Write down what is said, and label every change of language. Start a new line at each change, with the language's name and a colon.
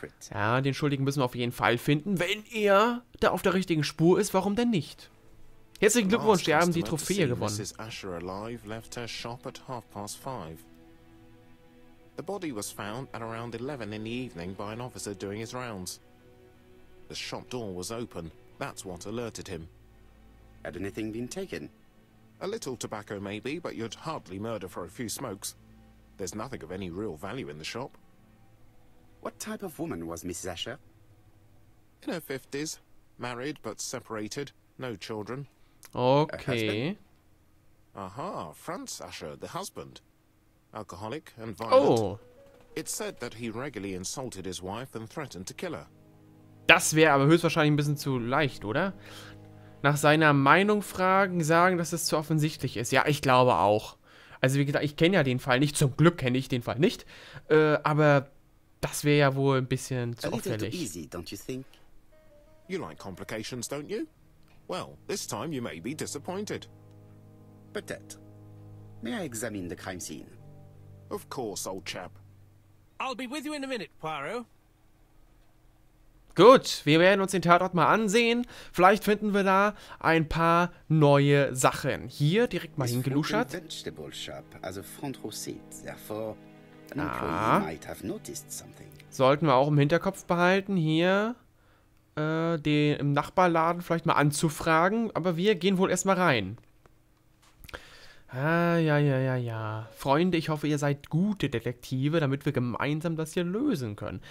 German: Ja, den Schuldigen müssen wir auf jeden Fall finden. Wenn er da auf der richtigen Spur ist, warum denn nicht? Herzlichen Glückwunsch, wir haben die Trophäe gewonnen.
English: Mrs. Asher alive left her shop at 5:30. The body was found at around 11 in the evening by an officer doing his rounds. The shop door was open. That's what alerted him. Had anything been taken? A little tobacco maybe, but you'd hardly murder for a few smokes. There's nothing of any real value in the shop. What type of woman was Mrs. Asher? In her 50s, married but separated, no children. Okay. Aha, Franz Asher, the husband. Alcoholic and violent. Oh. It's said that he regularly insulted his wife and threatened to kill her.
German: Das wäre aber höchstwahrscheinlich ein bisschen zu leicht, oder? Nach seiner Meinung fragen, sagen, dass es zu offensichtlich ist. Ja, ich glaube auch. Also wie gesagt, ich kenne ja den Fall nicht. Zum Glück kenne ich den Fall nicht. Aber das wäre ja wohl ein bisschen zu auffällig.
English: A little too easy, don't you think? You like complications, don't you? Well, this time you may be disappointed. But that. May I examine the crime scene? Of course, old chap. I'll be with you in a minute, Poirot.
German: Gut, wir werden uns den Tatort mal ansehen. Vielleicht finden wir da ein paar neue Sachen. Hier direkt mal hingeluschert.
English: Vegetable shop, also front row seat. Therefore, might have noticed something.
German: Sollten wir auch im Hinterkopf behalten, hier den im Nachbarladen vielleicht mal anzufragen. Aber wir gehen wohl erstmal rein. Ah, ja. Freunde, ich hoffe, ihr seid gute Detektive, damit wir gemeinsam das hier lösen können.